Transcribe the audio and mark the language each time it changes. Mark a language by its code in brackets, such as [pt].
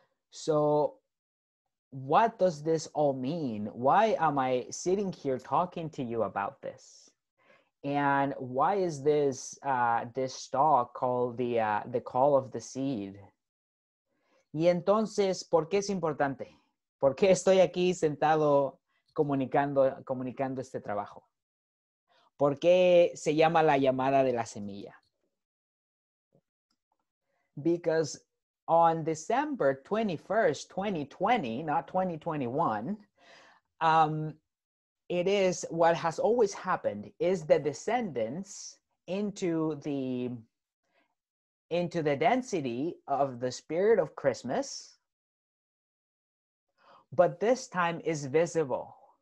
[en] So what does this all mean? Why am I sitting here talking to you about this? And why is this this talk called the call of the seed? [es] Y entonces, ¿por qué es importante? ¿Por qué estoy aquí sentado comunicando este trabajo? ¿Por qué se llama la llamada de la semilla? [en] Because on December 21st, 2020, not 2021, it is what has always happened, is the descendants into the density of the spirit of Christmas, but this time is visible.